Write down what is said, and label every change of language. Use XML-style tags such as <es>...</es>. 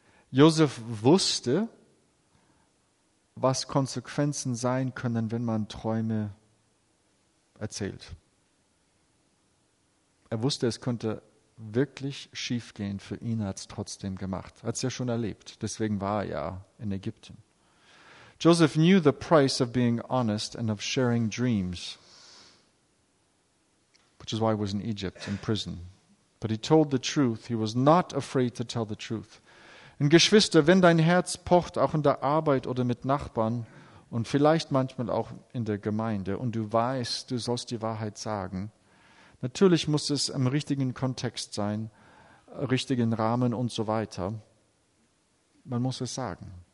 <de>Josef wusste, was Konsequenzen sein können, wenn man Träume erzählt. Er wusste, es könnte wirklich schief gehen, für ihn hat es trotzdem gemacht. Hat es ja schon erlebt, deswegen war er ja in Ägypten.</de> <en>Joseph knew the price of being honest and of sharing dreams, which is why he was in Egypt, in prison. But he told the truth, he was not afraid to tell the truth.</en> <de>Und Geschwister, wenn dein Herz pocht, auch in der Arbeit oder mit Nachbarn und vielleicht manchmal auch in der Gemeinde und du weißt, du sollst die Wahrheit sagen, natürlich muss es im richtigen Kontext sein, richtigen Rahmen und so weiter. Man muss es sagen.</de>